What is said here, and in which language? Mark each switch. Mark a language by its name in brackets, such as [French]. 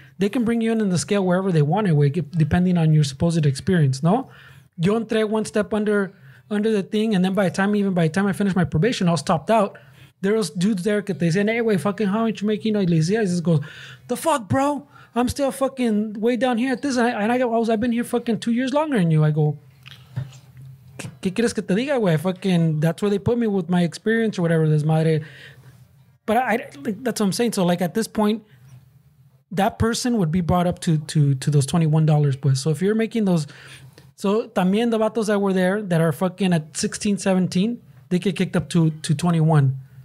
[English] They can bring you in the scale wherever they want it, way, depending on your supposed experience, no? [Spanish] Yo entré [English] one step under the thing, and then by the time I finished my probation, I was topped out. There was dudes there, que they said, hey, way, fucking, how much you making? You know, he just goes, the fuck, bro? I'm still fucking way down here at this. I've been here fucking 2 years longer than you. I go, [Spanish] ¿qué quieres que te diga, güey? [English] Fucking, that's where they put me with my experience or whatever, this madre. But that's what I'm saying. So, like, at this point, that person would be brought up to those $21, pues. So, if you're making those... So, también the vatos that were there that are fucking at 16, 17, they get kicked up to 21.